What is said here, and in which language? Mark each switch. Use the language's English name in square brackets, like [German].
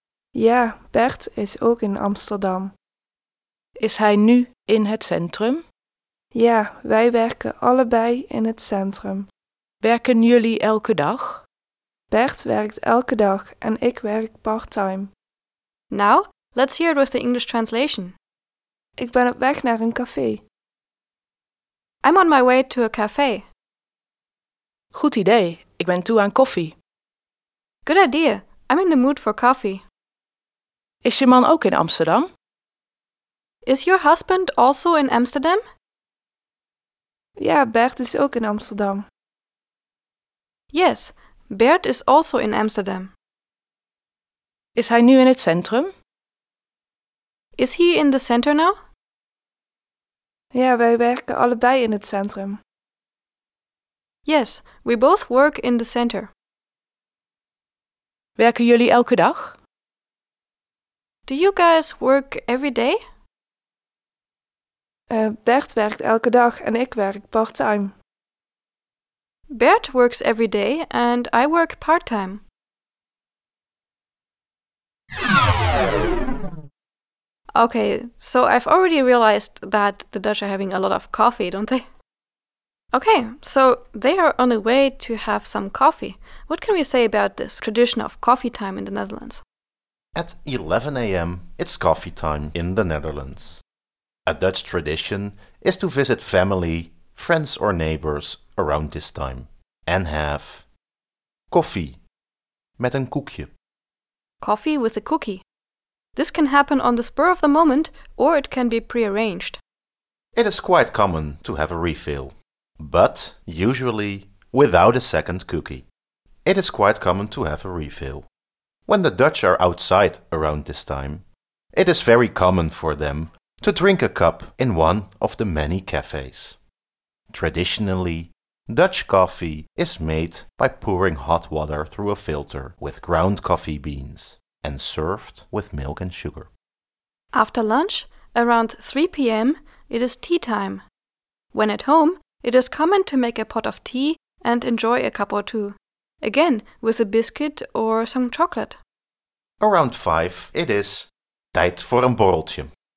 [Dutch] Ja, Bert is ook in Amsterdam. Is hij nu in het centrum? Ja, wij werken allebei in het centrum. Werken jullie elke dag? Bert werkt elke dag en ik werk part-time. [English] Now, let's hear it with the English translation. [Dutch] Ik ben op weg naar een café. [English] I'm on my way to a café. [Dutch] Goed idee, ik ben toe aan koffie. [English] Good idea, I'm in the mood for coffee. [Dutch] Is je man ook in Amsterdam? [English] Is your husband also in Amsterdam? [Dutch] Ja, Bert is ook in Amsterdam. [English] Yes. Bert is also in Amsterdam. [Dutch] Is hij nu in het centrum? [English] Is he in the center now? [Dutch] Ja, wij werken allebei in het centrum. [English] Yes, we both work in the center. [Dutch] Werken jullie elke dag? [English] Do you guys work every day? [Dutch] Bert werkt elke dag en ik werk part-time. [English] Bert works every day and I work part-time. Okay, so I've already realized that the Dutch are having a lot of coffee, don't they? Okay, so they are on the way to have some coffee. What can we say about this tradition of coffee time in the Netherlands? At 11 a.m. it's coffee time in the Netherlands. A Dutch tradition is to visit family, friends or neighbors around this time. And have coffee [Dutch] met een koekje. [English] Coffee with a cookie. This can happen on the spur of the moment or it can be prearranged. It is quite common to have a refill, but usually without a second cookie. It is quite common to have a refill. When the Dutch are outside around this time, it is very common for them to drink a cup in one of the many cafes. Traditionally, Dutch coffee is made by pouring hot water through a filter with ground coffee beans and served with milk and sugar. After lunch, around 3 p.m., it is tea time. When at home, it is common to make a pot of tea and enjoy a cup or two, again with a biscuit or some chocolate. Around 5, it is [Dutch] tijd voor een borreltje.